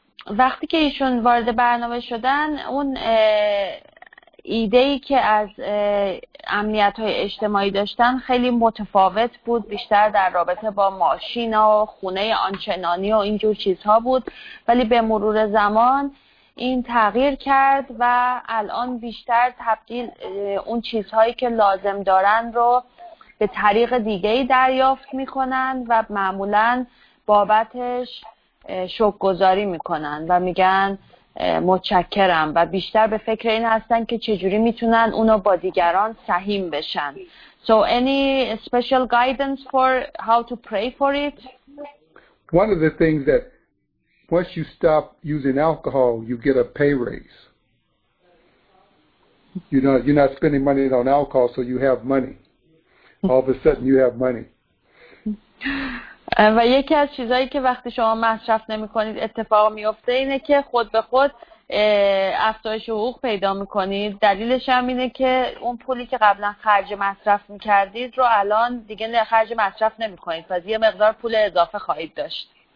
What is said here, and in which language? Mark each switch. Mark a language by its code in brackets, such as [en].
[fa] وقتی که ایشون وارد برنامه شدن، اون ایده‌ای که از امنیت‌های اجتماعی داشتن خیلی متفاوت بود، بیشتر در رابطه با ماشین و خونه آنچنانی و اینجور چیزها بود، ولی به مرور زمان این تغییر کرد و الان بیشتر تبدیل اون چیزهایی که لازم دارن رو به طریق دیگه‌ای دریافت می‌کنن و معمولاً بابتش شکرگزاری میکنن و میگن متشکرم و بیشتر به فکر این هستن که چجوری میتونن اونو با دیگران سهیم بشن. [en] So any special guidance for how to pray for it? One of the things that once you stop using alcohol, you get a pay raise. You know, you're not spending money on alcohol, so you have money. All of a sudden you have money. [fa] و یکی از چیزایی که وقتی شما مصرف نمی‌کنید اتفاق می‌افته اینه که خود به خود افزایش حقوق پیدا می‌کنید. دلیلش هم اینه که اون پولی که قبلا خرج مصرف می‌کردید رو الان دیگه خرج مصرف نمی‌کنید، پس یه مقدار پول اضافه خواهید داشت.